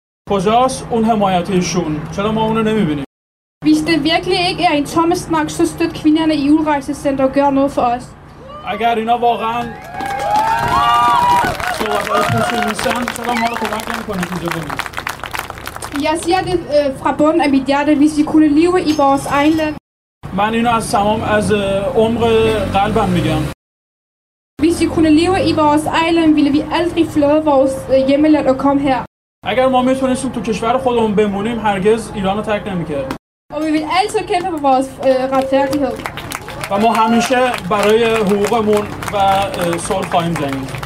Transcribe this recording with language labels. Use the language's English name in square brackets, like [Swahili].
[Persian] کجاست اون حمایتشون؟ چرا ما اونو نمیبینیم؟ [Danish] Hvis det virkelig ikke er en tom snak, så støt kvinderne i Udrejsecenter og gør noget for os. [Persian] اگر اینا واقعا چرا ما رو کمک نمیکنید اینجا ببینید؟ [Danish] Jeg siger det fra bunden af mit hjerte, hvis vi kunne leve i vores egen land. [Persian] من اینو از تمام از عمق قلبم میگم. [Danish] Hvis vi kunne leve i vores island, ville vi aldrig flytte vores hjemland og komme her. [Persian] اگر ما میتونستیم تو کشور خودمون بمونیم هرگز ایرانو ترک نمیکرد. [Danish] Og vi vil altid kæmpe for vores retfærdighed. [Persian] و ما همیشه برای حقوقمون و صلح خواهیم جنگید.